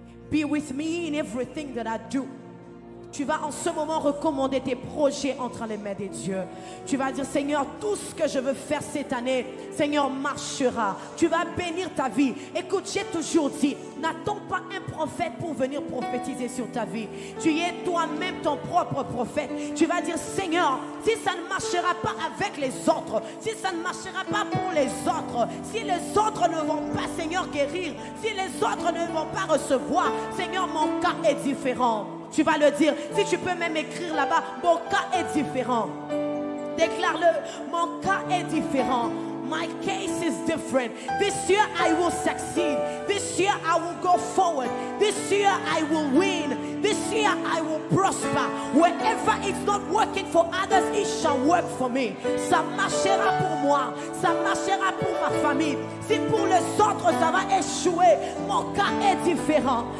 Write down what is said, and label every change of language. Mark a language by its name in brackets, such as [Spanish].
[English] Be with me in everything that I do. [French] Tu vas en ce moment recommander tes projets entre les mains de Dieu. Tu vas dire, Seigneur, tout ce que je veux faire cette année, Seigneur, marchera. Tu vas bénir ta vie. Écoute, j'ai toujours dit, n'attends pas un prophète pour venir prophétiser sur ta vie. Tu es toi-même ton propre prophète. Tu vas dire, Seigneur, si ça ne marchera pas avec les autres, si ça ne marchera pas pour les autres, si les autres ne vont pas, Seigneur, guérir, si les autres ne vont pas recevoir, Seigneur, mon cas est différent. Tu vas le dire. Si tu peux même écrire là-bas, mon cas est différent. Déclare-le. Mon cas est différent. [English] My case is different. This year I will succeed. This year I will go forward. This year I will win. This year I will prosper. Wherever it's not working for others, it shall work for me. [French] Ça marchera pour moi. Ça marchera pour ma famille. Si pour les autres ça va échouer, mon cas est différent.